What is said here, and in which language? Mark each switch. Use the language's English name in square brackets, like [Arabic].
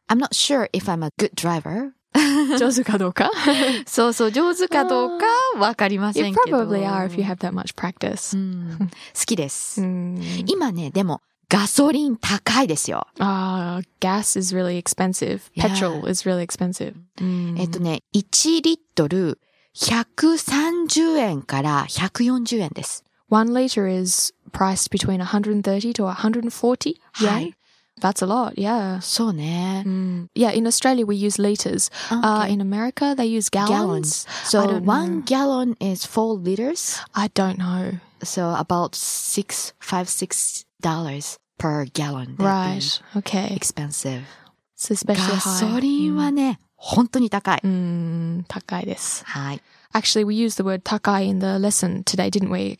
[English] I'm not sure if I'm a good driver. [Japanese] 上手かどうか。そうそう、上手かどうかわかりませんけど。 [English] You probably are if you have that much practice. [Japanese] 好きです。今ね、でも、ガソリン高いですよ。 [English] Gas is really expensive. Petrol is really expensive. [Japanese] ね、1リットル130円から140円です。 [English] 1 liter is priced between 130 to 140 yen. Hi. That's a lot, yeah. [Japanese] そうね。 [English] Yeah, in Australia we use liters. Okay. In America they use gallons. So 1 gallon is 4 liters? I don't know. So about 6 dollars per gallon. Right. Okay. Expensive. So especially high. [Japanese] ガソリンはね、本当に高い。高いです。はい。 [English] Actually, we used the word 高い in the lesson today, didn't we?